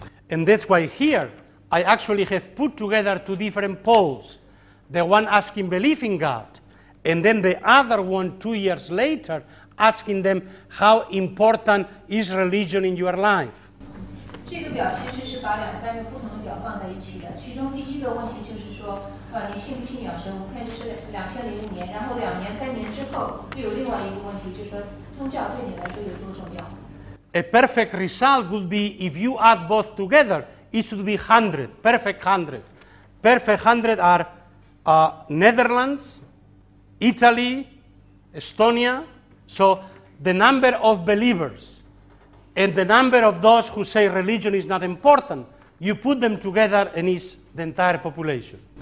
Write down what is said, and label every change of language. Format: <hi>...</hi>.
<en>And that's why here I actually have put together two different polls: the one asking belief in God, and then the other one 2 years later asking them how important is religion in your life.</en> <zh>这个表其实是把两三个不同的表放在一起的，其中第一个问题就是说，你信不信仰神？我们看这是2005年，然后两年、三年之后，又有另外一个问题，就是说宗教对你来说有多重要。A</zh> <en>perfect result would be if you add both together, it would be 100, perfect 100. Perfect 100 are Netherlands, Italy, Estonia. So the number of believers and the number of those who say religion is not important, you put them together and it's the entire population.</en>